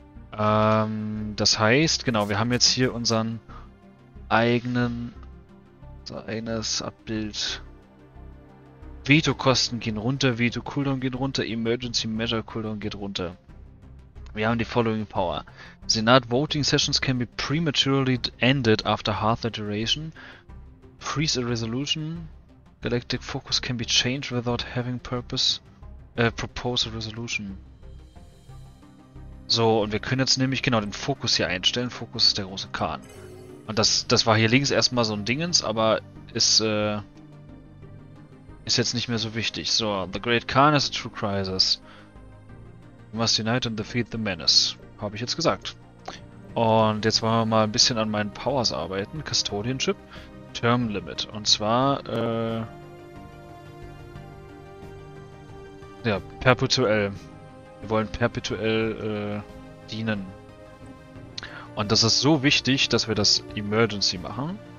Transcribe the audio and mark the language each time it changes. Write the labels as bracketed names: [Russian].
[German] Das heißt, genau, wir haben jetzt hier unseren eigenen, unser eigenes Abbild. Veto-Kosten gehen runter, Veto-Cooldown geht runter, Emergency-Measure-Cooldown geht runter. Wir haben die [English] following Power. Senat Voting Sessions can be prematurely ended after half the duration. Freeze a resolution. Galactic Focus can be changed without having purpose. Propose a resolution. [German] So, und wir können jetzt nämlich genau den Fokus hier einstellen. Fokus ist der große Kahn. Und das war hier links erstmal so ein Dingens, aber ist jetzt nicht mehr so wichtig. [English] So, the Great Khan is a true crisis. We must unite and defeat the menace. [German] Habe ich jetzt gesagt. Und jetzt wollen wir mal ein bisschen an meinen Powers arbeiten. Custodianship. Term Limit. Und zwar, ja, perpetuell. Wir wollen perpetuell dienen. Und das ist so wichtig, dass wir das Emergency machen.